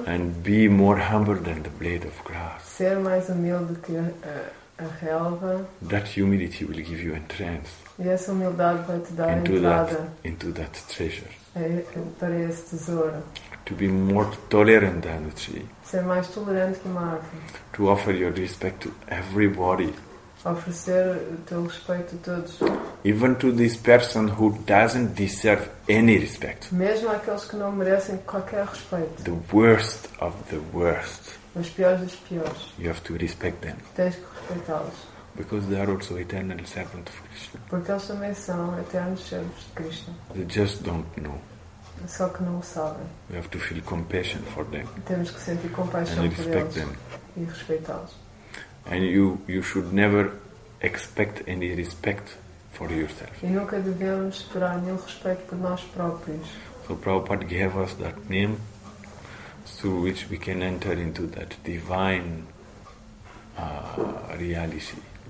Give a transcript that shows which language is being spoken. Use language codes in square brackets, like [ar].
[en] And be more humble than the blade of grass. [pt] Ser mais humilde que a relva. [en] That humility will give you entrance. [pt] E essa humildade vai te dar [en] into that treasure. [pt] Para esse tesouro. [en] To be more tolerant than the tree. [pt] Ser mais tolerante que uma árvore. [en] To offer your respect to everybody. [pt] Oferecer o teu respeito a todos. [en] Even to this person who doesn't deserve any respect. [pt] Mesmo aqueles que não merecem qualquer respeito. [en] The worst of the worst. [pt] Os piores dos piores. [en] You have to respect them. [pt] Tens que respeitá-los. [en] Because they are also eternal servants of Krishna. [pt] Porque eles também são eternos servos de Krishna. [en] They just don't know. [pt] Só que não o sabem. [en] We have to feel compassion for them. [pt] Temos que sentir compaixão por [en] respect [pt] eles. [en] Them. [pt] E respeitá-los. [en] And you should never expect any respect for yourself. [pt] E nunca devemos esperar nenhum respeito por nós próprios. [en] So Prabhupada gave us that name through which we can enter into that divine reality.